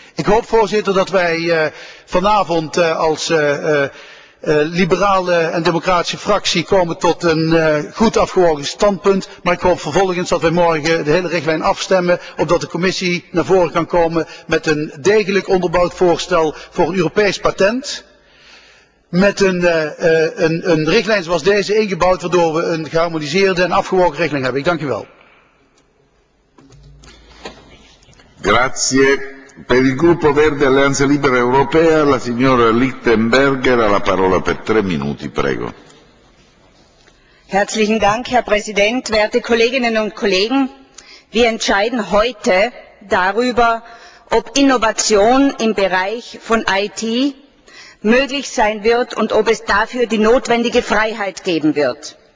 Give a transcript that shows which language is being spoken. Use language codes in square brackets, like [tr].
[nl] Ik hoop, voorzitter, dat wij vanavond als liberale en democratische fractie komen tot een goed afgewogen standpunt, maar ik hoop vervolgens dat wij morgen de hele richtlijn afstemmen, opdat de commissie naar voren kan komen met een degelijk onderbouwd voorstel voor een Europees patent, met een richtlijn zoals deze ingebouwd, waardoor we een geharmoniseerde en afgewogen richtlijn hebben. Ik dank u wel. [it] Grazie. Per il gruppo Verde Alleanza Libera Europea, la signora Lichtenberger ha la parola per 3 minuti, prego. [de] Herzlichen Dank, Herr Präsident, werte Kolleginnen und Kollegen. Wir entscheiden heute darüber, ob Innovation im Bereich von IT möglich sein wird und ob es dafür die notwendige Freiheit geben wird.